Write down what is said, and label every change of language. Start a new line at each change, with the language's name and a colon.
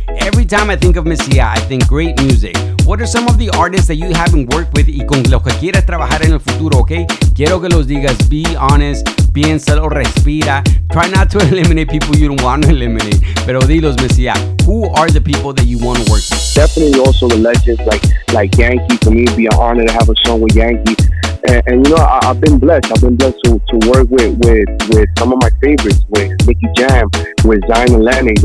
English: Every time I think of Messiah, I think great music. What are some of the artists that you haven't worked with y con los que quieres trabajar en el futuro, ok?
Spanish: Quiero que los digas, be honest, piénsalo, respira.
English: Try not to eliminate people you don't want to eliminate. Pero dilos, Messiah, who are the people that you want to work with? Definitely also the legends like Yankee. For me, it'd be an honor to have a song with Yankee. And you know, I've been blessed. I've been blessed to work with some of my favorites, with Nicky Jam, with Zion and Lennox.